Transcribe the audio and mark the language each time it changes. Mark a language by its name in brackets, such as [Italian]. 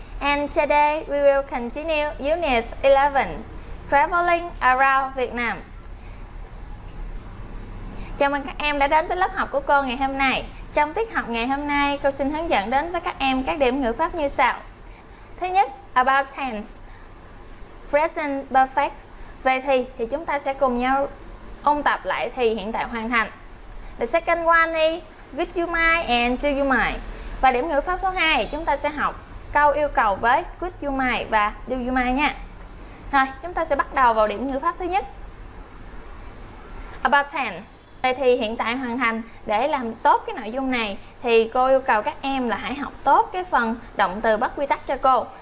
[English] And today we will continue Unit 11, traveling around Vietnam. [Vietnamese] Chào mừng các em đã đến với lớp học của cô ngày hôm nay. Trong tiết học ngày hôm nay, cô xin hướng dẫn đến với các em các điểm ngữ pháp như sau. Thứ nhất, [English] about tense, present perfect. [Vietnamese] Về thì chúng ta sẽ cùng nhau ôn tập lại thì hiện tại hoàn thành. [English] The second one is, would you mind and do you mind? [Vietnamese] Và điểm ngữ pháp số 2, chúng ta sẽ học câu yêu cầu với could you mind và do you mind nha. Rồi, chúng ta sẽ bắt đầu vào điểm ngữ pháp thứ nhất. [English] About tense. [Vietnamese] Vậy thì hiện tại hoàn thành, để làm tốt cái nội dung này thì cô yêu cầu các em là hãy học tốt cái phần động từ bất quy tắc cho cô.